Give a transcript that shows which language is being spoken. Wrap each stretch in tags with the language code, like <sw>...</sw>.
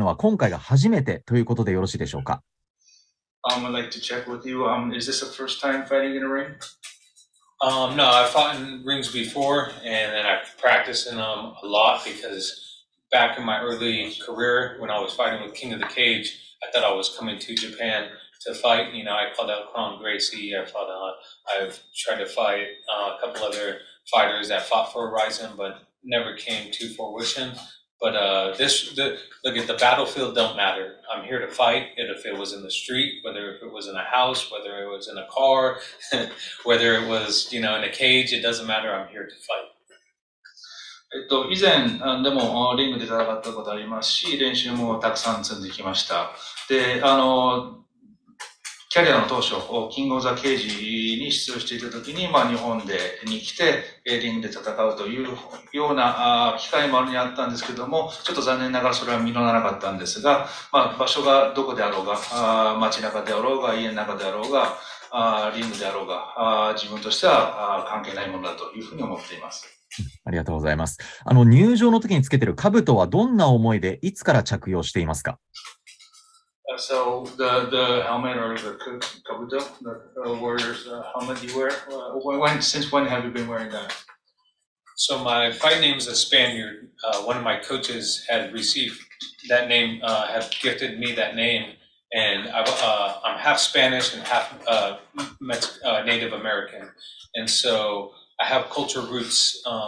<ja>はい、ありがとうございます。それでは矢吹さんお願いします。はい、それでは実況の高橋アナお願いできますでしょうか。はい、当日実況担当いたします高橋です。よろしくお願いいたします。まず確認なんですが、リングで戦うのは今回が初めてということでよろしいでしょうか。</ja> <en>I'd like to check with you. Is this the first time fighting in a ring? No, I've fought in rings before, and then I've practiced in them a lot because back in my early career when I was fighting with King of the Cage, I thought I was coming to Japan to fight. You know, I called out Kron Gracie. I fought, I've tried to fight a couple other fighters that fought for Rizin, but never came to fruition. But the battlefield don't matter. I'm here to fight. If it was in the street, whether if it was in a house, whether it was in a car, whether it was, you know, in a cage, it doesn't matter. I'm here to fight.</en> <ja>以前でもリングで戦ったことありますし、練習もたくさん積んできました。で、キャリアの当初、キングオブザケージに出場していたときに、日本でに来て、リングで戦うというような機会もあるにあったんですけども、ちょっと残念ながらそれは実らなかったんですが、場所がどこであろうが、街中であろうが、家の中であろうが、リングであろうが、自分としては関係ないものだというふうに思っています。ありがとうございます。入場の時につけてる兜はどんな思いでいつから着用していますか？</ja> <en>So the helmet or the kabuto, the warrior's helmet you wear, since when have you been wearing that? So my fight name is a Spaniard. One of my coaches had received that name, have gifted me that name, and I'm half Spanish and half Native American, and so I have culture roots.</en>